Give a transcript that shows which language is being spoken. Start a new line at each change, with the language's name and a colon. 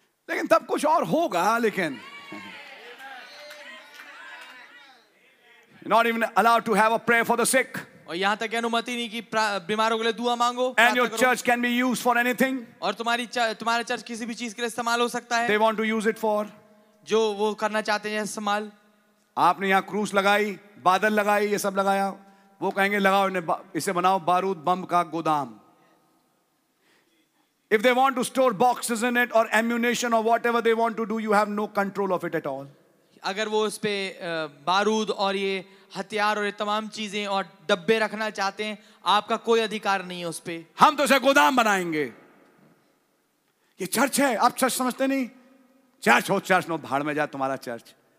Hindi: कुछ और होगा लेकिन
English: not even allowed to have a prayer for the sick.
Hindi: और यहाँ तक अनुमति नहीं कि बीमारों के लिए दुआ मांगो.
English: And your church can be used for anything.
Hindi: और तुम्हारा चर्च किसी भी चीज के लिए इस्तेमाल हो सकता है.
English: They want to use it for.
Hindi: जो वो करना चाहते हैं इस्तेमाल. आपने यहाँ क्रूस लगाई, बादल लगाई, ये सब लगाया. वो कहेंगे लगाओ इन्हें, इसे बनाओ बारूद बम का गोदाम.
English: If they want to store boxes in it or ammunition or whatever they want to do, you have no control of it at all.
Hindi: अगर वो उस पे बारूद और ये हथियार और ये तमाम चीजें और डब्बे रखना चाहते हैं, आपका कोई अधिकार नहीं है उस पे. हम तो उसे गोदाम बनाएंगे. ये चर्च है, आप चर्च समझते नहीं. चर्च हो चर्च नो, भाड़ में जा तुम्हारा चर्च.